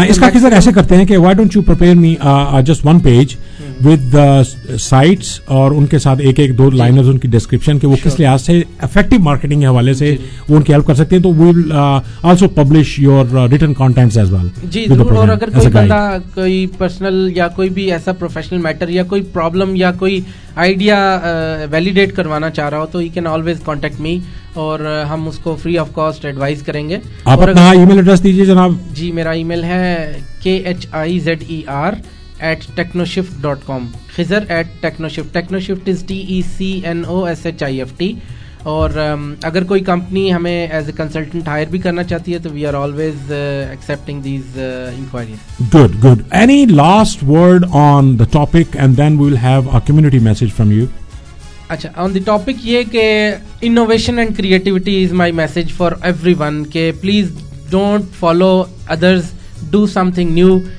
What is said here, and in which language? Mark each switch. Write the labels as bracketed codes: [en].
[ur] اس کا کسر ایسے کرتے ہیں کہ [en] why don't you prepare me just one page with the sites [ur] اور ان کے ساتھ ایک ایک دو لائنرز ان کی ڈسکرپشن کہ وہ کس لحاظ سے افیکٹو مارکیٹنگ کے حوالے سے وہ ان کی ہیلپ کر سکتے ہیں. تو [en] We will also publish your written contents as well. [ur] جی ضرور, اور اگر کوئی بندہ کوئی پرسنل یا کوئی بھی ایسا پروفیشنل میٹر یا کوئی پرابلم یا کوئی آئیڈیا ویلیڈیٹ کروانا چاہ رہا ہو تو [en] he can always contact me [ur] اور ہم اس کو فری آف کاسٹ ایڈوائز کریں گے. آپ اپنا ای میل ایڈریس دیجیے جناب. جی میرا ای میل ہے khizer @technoshift.com. khizer @technoshift. [en] technoshift is TECNOSHIFT. [ur] اور اگر کوئی کمپنی ہمیں ایز اے کنسلٹنٹ ہائر بھی کرنا چاہتی ہے تو [en] We are always accepting these enquiries. Good good. Any last word on the topic and then we will have a community message from you. اچھا, on the topic یہ کہ innovation and creativity is my message for everyone, کہ please don't follow others, do something new.